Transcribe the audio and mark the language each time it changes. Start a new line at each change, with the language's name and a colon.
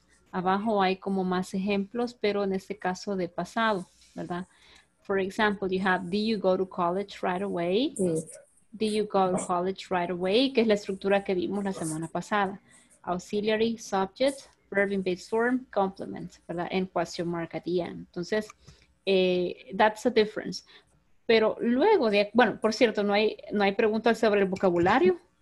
Spanish: Abajo hay como más ejemplos, pero en este caso de pasado, ¿verdad?
English: For example, you have, do you go to college right away? Do you go to college right away?
Spanish: Que es la estructura que vimos la semana pasada.
English: Auxiliary, subject, verb in base form, complement,
Spanish: ¿verdad?
English: En question mark at the end.
Spanish: Entonces,
English: that's the difference.
Spanish: Pero luego de, bueno, por cierto, no hay preguntas sobre el vocabulario.